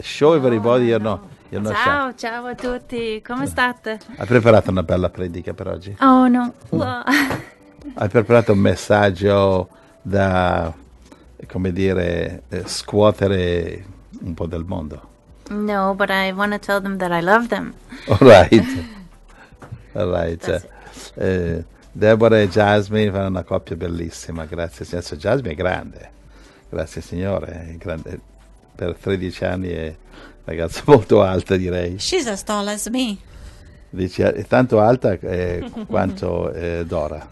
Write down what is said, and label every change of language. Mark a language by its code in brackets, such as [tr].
[en] Show everybody you're not. [it] Ciao, so. Ciao a tutti, come state? Hai preparato una bella predica per oggi? [en] Oh no. [it] Hai preparato un messaggio da, come dire, scuotere un po' del mondo? [en] No, but I want to tell them that I love them. All right. [it] Deborah e Jasmine fanno una coppia bellissima, grazie Signore. So Jasmine è grande, grazie Signore, è grande. Per 13 anni è... ragazza molto alta, direi. [en] She's as tall as me. [it] Dice, è tanto alta quanto Dora.